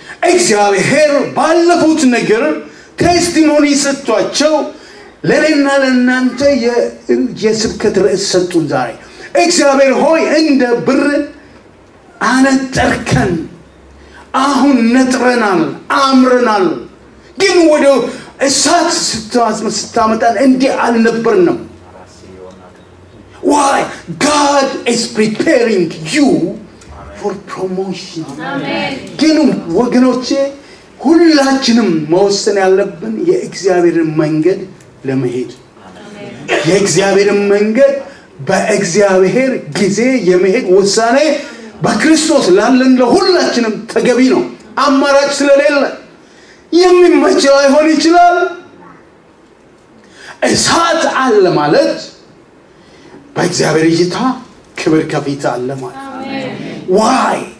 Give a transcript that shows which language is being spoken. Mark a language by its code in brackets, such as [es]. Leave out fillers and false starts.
[am] እግዚአብሔር ባለፉት ነገር ቴስቲሞኒ ሰጥቷቸው ለኔና ለናንተ የስብከት ርዕስ ሰጡን። ዛሬ እግዚአብሔር ሆይ እንደ ብር አነጠርከን፣ አሁን ነጥረናል፣ አምረናል። ግን ወደ እሳት ስታመጣን እንዲህ አልነበርንም። [en] Why? God is preparing you for promotion. Amen. [am] ግን ወገኖቼ ሁላችንም መወሰን ያለብን የእግዚአብሔርን መንገድ ለመሄድ። አሜን። የእግዚአብሔርን መንገድ በእግዚአብሔር ጊዜ የመሄድ ወሳኔ በክርስቶስ ላለን ለሁላችንም ተገቢ ነው። አማራጭ ስለሌለ የሚመች ላይሆን ይችላል። እሳት አለ ማለት በእግዚአብሔር እይታ ክብር ከፊት አለ ማለት። [en] Why?